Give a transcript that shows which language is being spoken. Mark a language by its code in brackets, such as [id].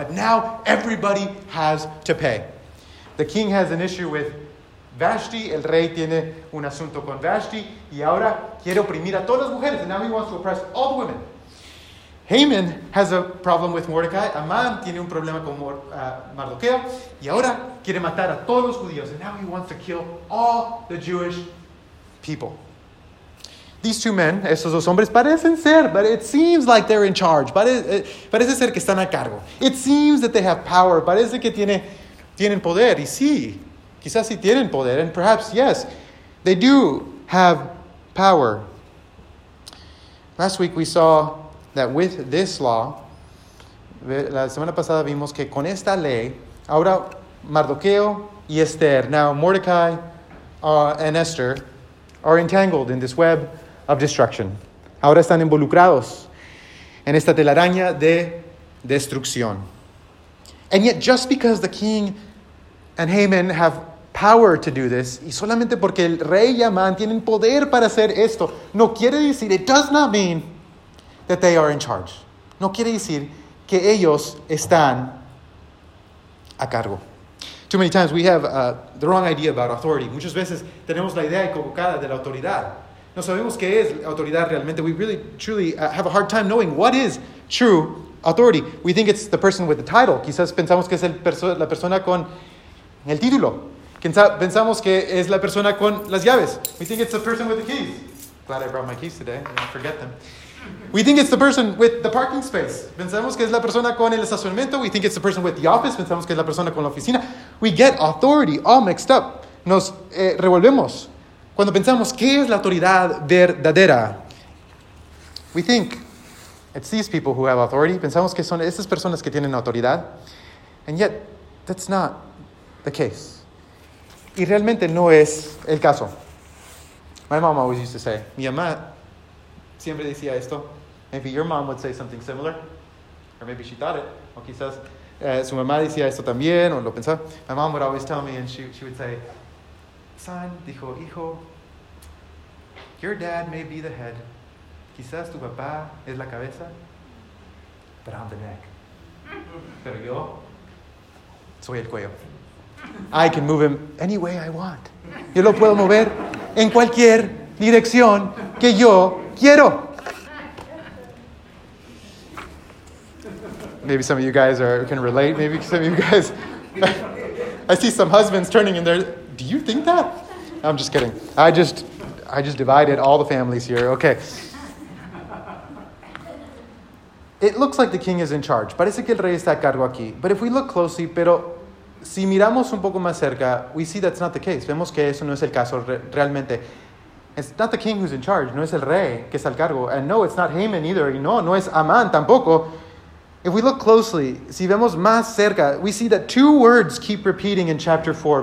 [en] But now everybody has to pay. The king has an issue with Vashti, [es] el rey tiene un asunto con Vashti, y ahora quiere oprimir a todas las mujeres, [en] and now he wants to oppress all the women. Haman has a problem with Mordecai. [es] Amán tiene un problema con Mardoqueo. Y ahora quiere matar a todos los judíos. [en] And now he wants to kill all the Jewish people. These two men, [es] estos dos hombres, parecen ser, [en] but it seems like they're in charge. [es] Parece ser que están a cargo. [en] It seems that they have power. [es] Parece que tienen poder. Y sí, quizás sí tienen poder. [en] And perhaps, yes, they do have power. Last week we saw that with this law, [es] la semana pasada vimos que con esta ley, ahora Mardoqueo y Esther, [en] now Mordecai and Esther, are entangled in this web of destruction. [es] Ahora están involucrados en esta telaraña de destrucción. [en] And yet, just because the king and Haman have power to do this, [es] y solamente porque el rey y Amán tienen poder para hacer esto, no quiere decir, [en] it does not mean that they are in charge. [es] No quiere decir que ellos están a cargo. [en] Too many times we have the wrong idea about authority. [es] Muchas veces tenemos la idea equivocada de la autoridad. No sabemos qué es autoridad realmente. [en] We really, truly have a hard time knowing what is true authority. We think it's the person with the title. [es] Quizás pensamos que es la persona con el título. Pensamos que es la persona con las llaves. [en] We think it's the person with the keys. Glad I brought my keys today. I didn't forget them. We think it's the person with the parking space. [es] Pensamos que es la persona con el estacionamiento. [en] We think it's the person with the office. [es] Pensamos que es la persona con la oficina. [en] We get authority all mixed up. [es] Nos revolvemos. Cuando pensamos, ¿qué es la autoridad verdadera? [en] We think it's these people who have authority. [es] Pensamos que son estas personas que tienen autoridad. [en] And yet, that's not the case. [es] Y realmente no es el caso. [en] My mom always used to say, [es] mi mamá siempre decía esto. [en] Maybe your mom would say something similar. Or maybe she thought it. [es] O quizás su mamá decía esto también, o lo pensaba. [en] My mom would always tell me, and she would say, son, [es] dijo, hijo, [en] your dad may be the head. [es] Quizás tu papá es la cabeza, [en] but I'm the neck. [es] Pero yo soy el cuello. [en] I can move him any way I want. [es] Yo lo puedo mover en cualquier dirección que yo quiero. [en] Maybe some of you guys can relate. Maybe some of you guys. I see some husbands turning in there. Do you think that? I'm just kidding. I just divided all the families here. Okay. It looks like the king is in charge. [es] Parece que el rey está a cargo aquí. [en] But if we look closely, [es] pero si miramos un poco más cerca, [en] we see that's not the case. [es] Vemos que eso no es el caso realmente. [en] It's not the king who's in charge. [es] No es el rey que está al cargo. [en] And no, it's not Haman either. [es] Y no, no es Amán tampoco. [en] If we look closely, [es] si vemos más cerca, [en] we see that two words keep repeating in chapter 4.